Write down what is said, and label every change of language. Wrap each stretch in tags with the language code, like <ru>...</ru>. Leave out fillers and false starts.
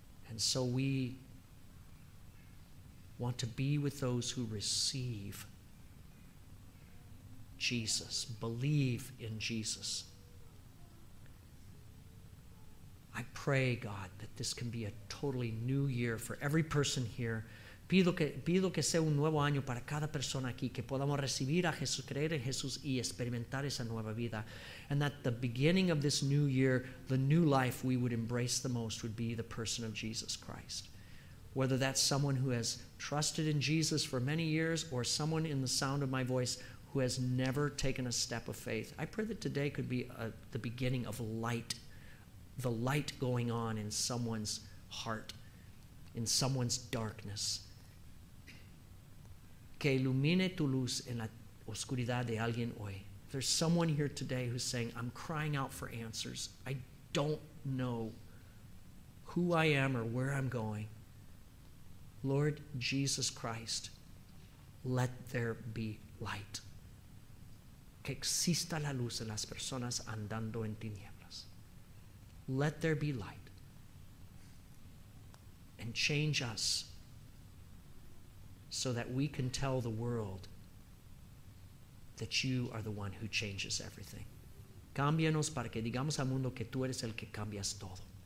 <en>And so we want to be with those who receive Jesus, believe in Jesus. I pray, God, that this can be a totally new year for every person here.</en> <es>Pido que sea un nuevo año para cada persona aquí, que podamos recibir a Jesús, creer en Jesús y experimentar esa nueva vida.</es> <en>And that the beginning of this new year, the new life we would embrace the most would be the person of Jesus Christ. Whether that's someone who has trusted in Jesus for many years or someone in the sound of my voice who has never taken a step of faith. I pray that today could be the beginning of light, the light going on in someone's heart, in someone's darkness.</en> <es>Que ilumine tu luz en la oscuridad de alguien hoy.</es> <en>There's someone here today who's saying, I'm crying out for answers. I don't know who I am or where I'm going. Lord Jesus Christ, let there be light.</en> <es>Que exista la luz en las personas andando en tinieblas.</es> <en>Let there be light. And change us. So that we can tell the world that you are the one who changes everything.</en> <es>Cámbianos para que digamos al mundo que tú eres el que cambias todo.</es>